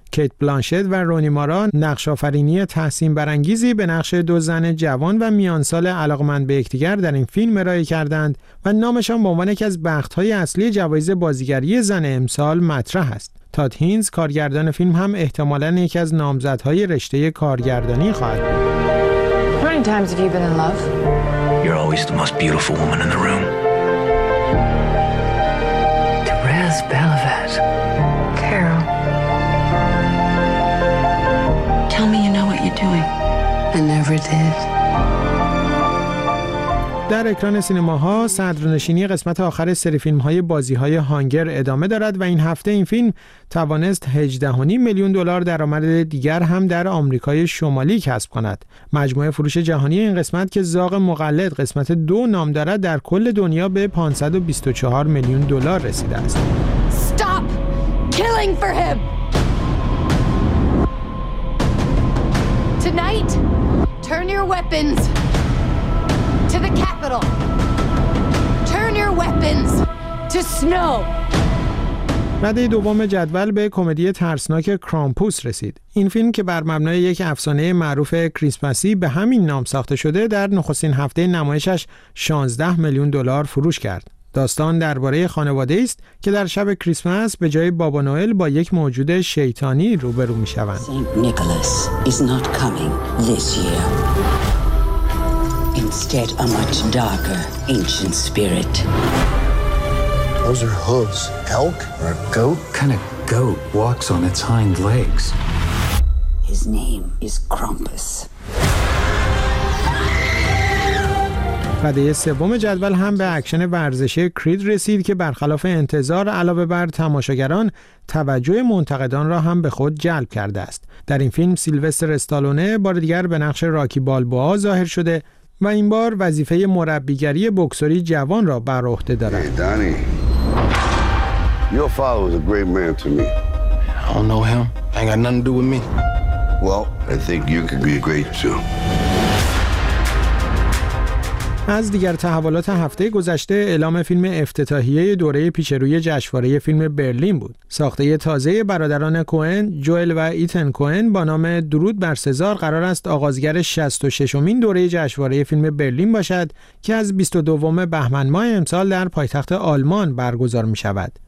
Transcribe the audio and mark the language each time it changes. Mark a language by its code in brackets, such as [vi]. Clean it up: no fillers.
[fa] کیت بلانشت و رونی مارا نقش‌آفرینی تحسین برانگیزی به نقش دو زن جوان و میانسال علاقمند به یکدیگر در این فیلم ارائه کردند و نامشان به عنوان یکی از بخت‌های اصلی جوایز بازیگری زن امسال مطرح است. تاد هینز کارگردان فیلم هم احتمالاً یکی از نامزدهای رشته کارگردانی خواهد بود. [en] You're always the most beautiful woman in the room. Therese Belavet. Carol. Tell me you know what you're doing. I never did. [fa] در اکران سینماها صدرنشینی قسمت آخر سری فیلم‌های بازی‌های هانگر ادامه دارد و این هفته این فیلم توانست 18.5 میلیون دلار درآمد دیگر هم در آمریکای شمالی کسب کند. مجموعه فروش جهانی این قسمت که زاغ مقلد قسمت 2 نام دارد در کل دنیا به 524 میلیون دلار رسیده است. [en] Stop killing for him. Tonight, turn your weapons. To the capital. Turn your weapons to snow. [fa] رده دوم جدول به کمدی ترسناک کرامپوس رسید. این فیلم که بر مبنای یک افسانه معروف کریسمسی به همین نام ساخته شده، در نخستین هفته نمایشش 16 میلیون دلار فروش کرد. داستان درباره خانواده است که در شب کریسمس به جای بابا نوئل با یک موجود شیطانی روبرو می شوند. [en] Saint Nicholas is not coming this year. Instead a much darker ancient spirit. Those are hooves. Elk or a goat? Kind of goat walks on its hind legs. His name is Krampus. [fa] رده سوم جدول هم به اکشن ورزشی کرید رسید که برخلاف انتظار علاوه بر تماشاگران، توجه منتقدان را هم به خود جلب کرده است. در این فیلم سیلوستر استالونه بار دیگر به نقش راکی بالبوا ظاهر شده و این بار وظیفه مربیگری بوکسوری جوان را بر عهده دارد. [en] Hey, Danny. Your father was a great man to me. I don't know him. Ain't got nothing to do with me. Well, I think you could be great too. [fa] از دیگر تحولات هفته گذشته، اعلام فیلم افتتاحیه دوره پیشروی جشنواره فیلم برلین بود. ساخته تازه برادران کوئن، جوئل و ایتن کوئن با نام درود بر سزار قرار است آغازگر 66مین دوره جشنواره فیلم برلین باشد که از 22 بهمن ماه امسال در پایتخت آلمان برگزار می شود.